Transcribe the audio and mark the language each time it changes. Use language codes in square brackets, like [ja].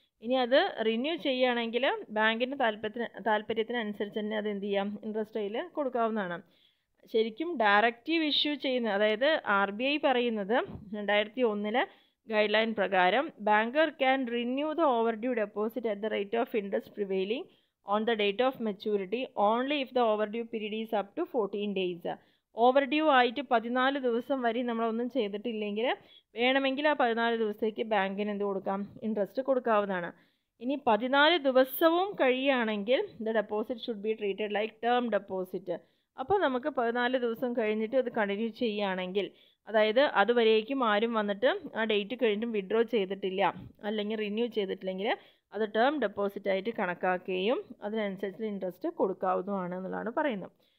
[ml] ഇനി അത് റിന്യൂ ചെയ്യുകയാണെങ്കിൽ ബാങ്കിൻ്റെ താല്പര്യത്തിനനുസരിച്ച് തന്നെ അത് എന്ത് ചെയ്യാം, ഇൻട്രസ്റ്റ് അതിൽ കൊടുക്കാവുന്നതാണ്. ശരിക്കും ഡയറക്റ്റീവ് ഇഷ്യൂ ചെയ്യുന്ന, അതായത് RBI പറയുന്നത് 2001 ഗൈഡ് ലൈൻ പ്രകാരം, [en] Banker can renew the overdue deposit at the rate of interest prevailing on the date of maturity only if the overdue period is up to 14 days. [ml] ഓവർഡ്യൂ ആയിട്ട് 14 ദിവസം വരെയും നമ്മൾ ഒന്നും ചെയ്തിട്ടില്ലെങ്കിൽ വേണമെങ്കിൽ ആ 14 ദിവസത്തേക്ക് ബാങ്കിന് എന്ത് കൊടുക്കാം, ഇൻട്രസ്റ്റ് കൊടുക്കാവുന്നതാണ്. ഇനി 14 ദിവസവും കഴിയുകയാണെങ്കിൽ [en] The deposit should be treated like term deposit. [ml] അപ്പോൾ നമുക്ക് 14 ദിവസം കഴിഞ്ഞിട്ട് അത് കണ്ടിന്യൂ ചെയ്യുകയാണെങ്കിൽ, അതായത് അതുവരേക്കും ആരും വന്നിട്ട് ആ ഡേറ്റ് കഴിഞ്ഞിട്ടും വിഡ്രോ ചെയ്തിട്ടില്ല അല്ലെങ്കിൽ റിന്യൂ ചെയ്തിട്ടില്ലെങ്കിൽ അത് ടേം ഡെപ്പോസിറ്റ് ആയിട്ട് കണക്കാക്കുകയും അതിനനുസരിച്ച് ഇൻട്രസ്റ്റ് കൊടുക്കാവുന്നതാണ് എന്നുള്ളതാണ് പറയുന്നത്.